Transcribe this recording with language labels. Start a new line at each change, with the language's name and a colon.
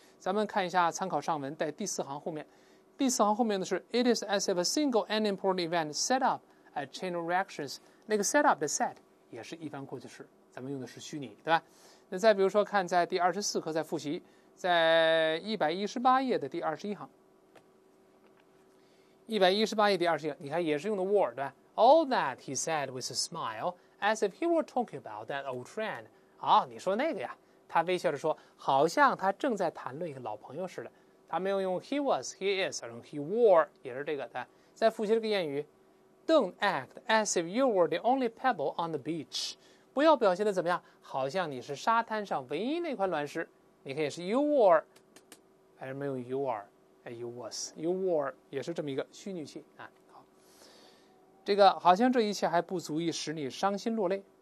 Chinese: 咱们看一下参考上文，在第四行后面，第四行后面的是
English: it is as if a single and important event set up a chain of reactions。
Chinese: 那个 set up 的 set 也是一般过去式，咱们用的是虚拟，对吧？那再比如说看在第24课再复习，在118页的第21行，118页第21行，你看也是用的 were， 对吧？
English: All that he said with a smile as if he were talking about that old friend。
Chinese: 好，你说那个呀，他微笑着说，好像他正在谈论一个老朋友似的。他没有用 he was, he is， 而用 he were， 也是这个，对吧？
English: 再复习这个谚语，Don't act as if you were the only pebble on the beach.
Chinese: 不要表现得怎么样，好像你是沙滩上唯一那块卵石。你可以是 you were， 还是没有 you are， 哎 you was， you were 也是这么一个虚拟器啊。好，这个好像这一切还不足以使你伤心落泪。